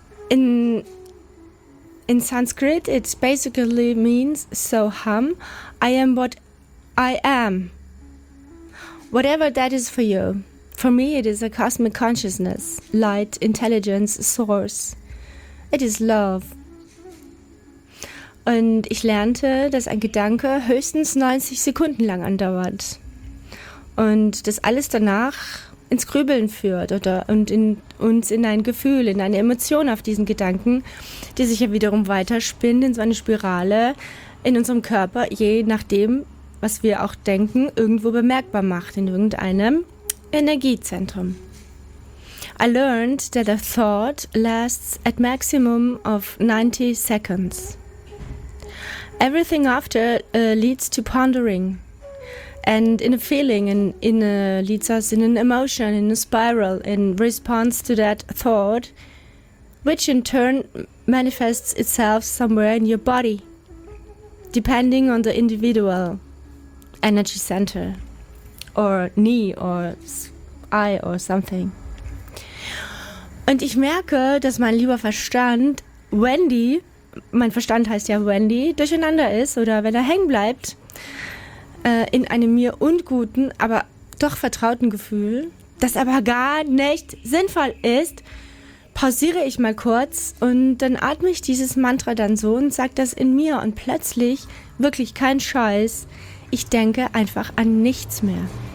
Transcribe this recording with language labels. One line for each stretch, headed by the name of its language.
English: In Sanskrit, it basically means so hum. I am what I am. Whatever that is for you. For me, it is a cosmic consciousness, light, intelligence, source. It is love.
German: Und ich lernte, dass ein Gedanke höchstens 90 Sekunden lang andauert. Und dass alles danach ins Grübeln führt oder und in uns in ein Gefühl, in eine Emotion auf diesen Gedanken, die sich ja wiederum weiterspinnt in so eine Spirale in unserem Körper, je nachdem, was wir auch denken, irgendwo bemerkbar macht, in irgendeinem Energiezentrum.
English: I learned that a thought lasts at maximum of 90 seconds. Everything after leads to pondering. And in a feeling, leads us in an emotion, in a spiral, in response to that thought, which in turn manifests itself somewhere in your body, depending on the individual energy center, or knee, or eye, or something.
German: Und ich merke, dass mein lieber Verstand, Wendy, mein Verstand heißt ja Wendy, durcheinander ist, oder wenn er hängen bleibt, in einem mir unguten, aber doch vertrauten Gefühl, das aber gar nicht sinnvoll ist, pausiere ich mal kurz und dann atme ich dieses Mantra dann so und sage das in mir und plötzlich, wirklich kein Scheiß, ich denke einfach an nichts mehr.